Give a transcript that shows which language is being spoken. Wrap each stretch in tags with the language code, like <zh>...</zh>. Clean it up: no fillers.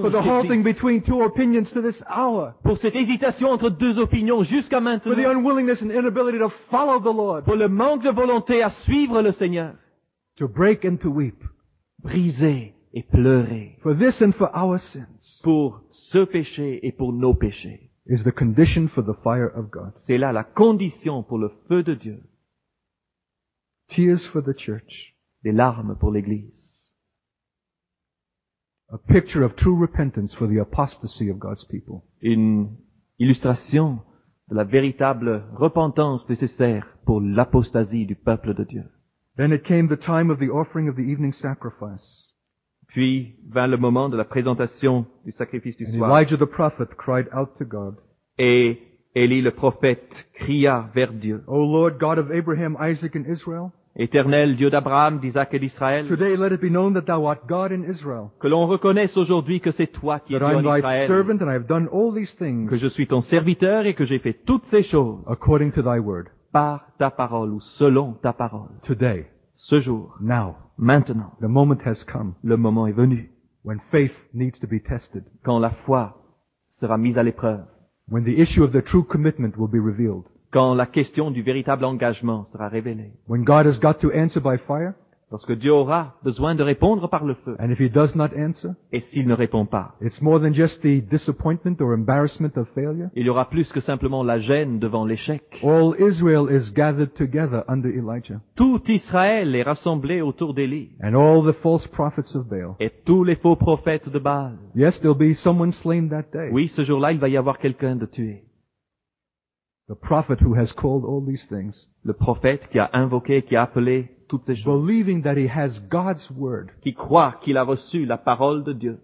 <en>for the halting between two opinions to this hour,</en> <fr>pour cette hésitation entre deux opinions jusqu'à maintenant,</fr> <en>for the unwillingness and inability to follow the Lord,</en> <fr>pour le manque de volonté à suivre le Seigneur,</fr> <en>to break and to weep,</en> <fr>briser et pleurer,</fr> <en>for this and for our sins,</en> <fr>pour ce péché et pour nos péchés,</fr> <en>is the condition for the fire of God.</en> <fr>C'est là la condition pour le feu de Dieu.</fr> <en>Tears for the church,</en> <fr>des larmes pour l'Église.</fr> <en>A picture of true repentance for the apostasy of God's people.</en> <fr>Une illustration de la véritable repentance nécessaire pour l'apostasie du peuple de Dieu.</fr> <en>Then it came the time of the offering of the evening sacrifice.</en> <fr>Puis vint le moment de la présentation du sacrifice du</fr> <en>and</en> <fr>soir.</fr> <en>Elijah the prophet cried out to God.</en> <fr>Et Élie le prophète cria vers Dieu.</fr> <en>O Lord God of Abraham, Isaac and Israel.</en> <fr>Éternel Dieu d'Abraham, d'Isaac et d'Israël,</fr> <en>today, let it be known that thou art God in Israel,</en> <fr>que l'on reconnaisse aujourd'hui que c'est toi qui es Dieu</fr> <en>I'm</en> <fr>en</fr> <en>servant and I have done all these things,</en> <fr>que je suis ton serviteur et que j'ai fait toutes ces choses</fr> <en>according to thy word,</en> <fr>par ta parole ou selon ta parole.</fr> <en>Today,</en> <fr>ce jour,</fr> <en>now,</en> <fr>maintenant,</fr> <en>the moment has come,</en> <fr>le moment est venu,</fr> <en>when faith needs to be tested,</en> <fr>quand la foi sera mise à l'épreuve,</fr> <en>when the issue of the true commitment will be revealed,</en> <fr>quand la question du véritable engagement sera révélée.</fr> <en>When God has got to answer by fire,</en> <fr>lorsque Dieu aura besoin de répondre par le feu.</fr> <en>And if he does not answer,</en> <fr>et s'il ne répond pas.</fr> <en>It's more than just the disappointment or embarrassment of failure,</en> <fr>il y aura plus que simplement la gêne devant l'échec.</fr> <en>All Israel is gathered together under Elijah.</en> <fr>Tout Israël est rassemblé autour d'Élie.</fr> <en>And all the false prophets of Baal.</en> <fr>Et tous les faux prophètes de Baal.</fr> <en>Yes, there'll be someone slain that day.</en> <fr>Oui, ce jour-là, il va y avoir quelqu'un de tué.</fr> <en>The prophet who has called all these things,</en> <fr>le prophète qui a invoqué, qui a appelé toutes ces choses,</fr> <en>believing that he has God's word,</en> <fr>qui croit qu'il a reçu la parole de Dieu,</fr>